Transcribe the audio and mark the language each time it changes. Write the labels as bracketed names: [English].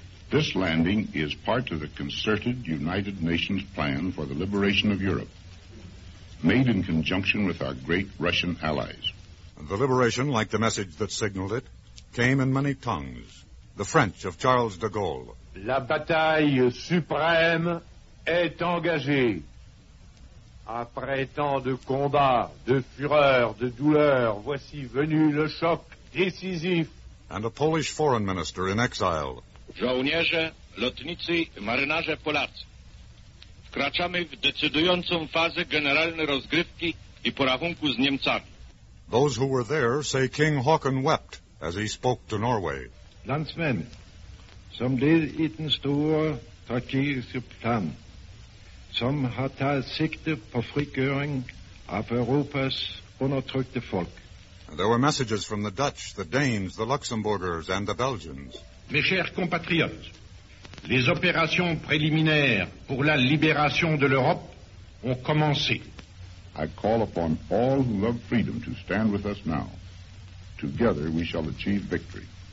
[English] This landing is part of a concerted United Nations plan for the liberation of Europe, made in conjunction with our great Russian allies. The liberation, like the message that signaled it, came in many tongues. The French of Charles de Gaulle. [French] La bataille suprême est engagée. Après tant de combats, de fureur, de douleur, voici venu le choc décisif. [English] And a Polish foreign minister in exile. [Polish] Żołnierze, lotnicy, marynarze Polacy. Wkraczamy w decydującą fazę generalnej rozgrywki i porachunku z Niemcami. [English] Those who were there say King Haakon wept as he spoke to Norway. [Danish] Landsmen, som led i den store strategiske plan. Som har taget sigte på frigøring af Europas undertrykte folk. [English] There were messages from the Dutch, the Danes, the Luxembourgers, and the Belgians. [French] Mes chers compatriotes, les opérations préliminaires pour la libération de l'Europe ont commencé. [English] I call upon all who love freedom to stand with us now. Together we shall achieve victory.